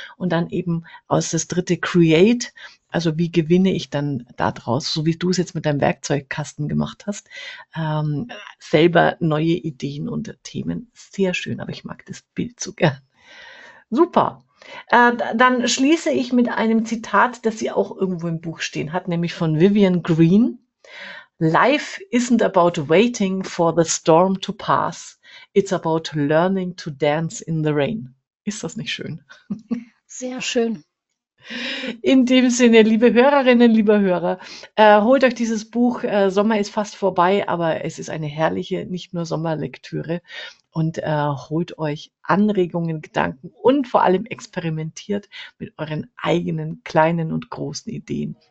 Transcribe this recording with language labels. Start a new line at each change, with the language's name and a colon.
German: Und dann eben aus das dritte create. Also wie gewinne ich dann daraus, so wie du es jetzt mit deinem Werkzeugkasten gemacht hast, selber neue Ideen und Themen. Sehr schön, aber ich mag das Bild so gern. Super. Dann schließe ich mit einem Zitat, das sie auch irgendwo im Buch stehen hat, nämlich von Vivian Green.
English: Life isn't about waiting for the storm to pass. It's about learning to dance in the rain.
German: Ist das nicht schön? Sehr schön. In dem Sinne, liebe Hörerinnen, lieber Hörer, holt euch dieses Buch. Sommer ist fast vorbei, aber es ist eine herrliche, nicht nur Sommerlektüre. Und holt euch Anregungen, Gedanken und vor allem experimentiert mit euren eigenen kleinen und großen Ideen.